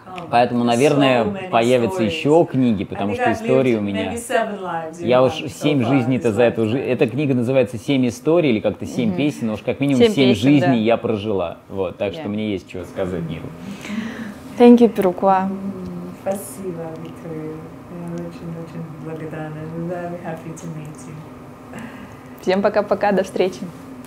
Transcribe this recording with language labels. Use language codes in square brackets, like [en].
[ru] Поэтому, наверное, появятся еще книги, потому что истории у меня... Я уж 7 жизней-то за эту жизнь... Эта книга называется «7 историй» или как-то 7 песен, но уж как минимум 7 жизней я прожила. Вот, так что мне есть что сказать миру. [en] Thank you, Pirukwa. [ru] Спасибо, Виктория. Я очень-очень благодарна. [en] I'm very happy to meet you. [ru] Всем пока-пока, до встречи.